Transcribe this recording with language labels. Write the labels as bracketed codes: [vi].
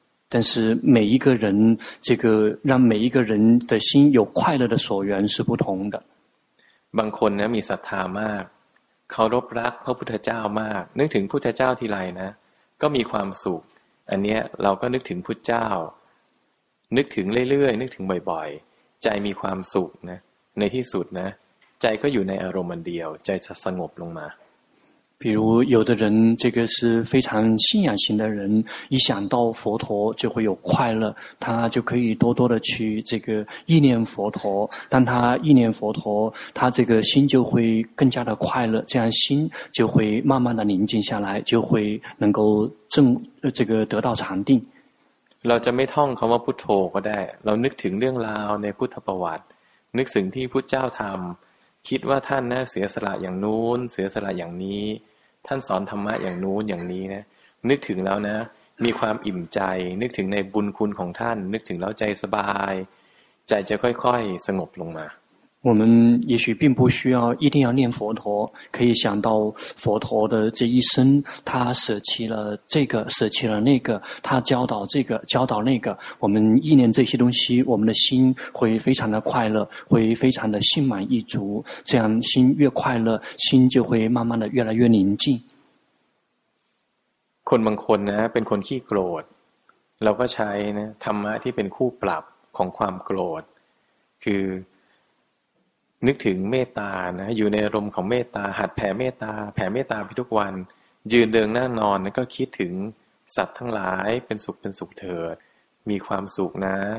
[zh] แต่是每一个人这个让每一个人的心有快乐的所缘是不同的 [th] บางคนนะมีศรัทธามากเคารพรักพระพุทธเจ้ามากนึกถึงพุทธเจ้าทีไรนะก็มีความสุขอันเนี้ยเราก็นึกถึงพุทธเจ้านึกถึงเรื่อยๆนึกถึงบ่อยๆใจมีความสุขนะในที่สุดนะใจก็อยู่ในอารมณ์เดียวใจจะสงบลงมา [zh] 比如有的人这个是非常信仰型的人，一想到佛陀就会有快乐，他就可以多多的去这个意念佛陀，当他意念佛陀，他这个心就会更加的快乐，这样心就会慢慢的宁静下来，就会能够正这个得到禅定。 [th] เราจะไม่ท่องคำว่าพุทโธก็ได้เรานึกถึงเรื่องราวในพุทธประวัตินึกถึงที่พุทธเจ้าทำคิดว่าท่านนะเสียสละอย่างนู้นเสียสละอย่างนี้ท่านสอนธรรมะอย่างนู้นอย่างนี้นะนึกถึงแล้วนะมีความอิ่มใจนึกถึงในบุญคุณของท่านนึกถึงแล้วใจสบายใจจะค่อยๆสงบลงมา [zh] 我们也许并不需要一定要念佛陀，可以想到佛陀的这一生，他舍弃了这个，舍弃了那个，他教导这个，教导那个。我们意念这些东西，我们的心会非常的快乐，会非常的心满意足。这样心越快乐，心就会慢慢的越来越宁静。 [th] คนบางคนนะเป็นคนขี้โกรธเราก็ใช้นะธรรมะที่เป็นคู่ปรับของความโกรธคือนึกถึงเมตตานะอยู่ในอารมณ์ของเมตตาหัดแผ่เมตตาแผ่เมตตาไปทุกวันยืนเดินนั่งนอนก็คิดถึงสัตว์ทั้งหลายเป็นสุขเป็นสุขเถิดมีความสุขนะ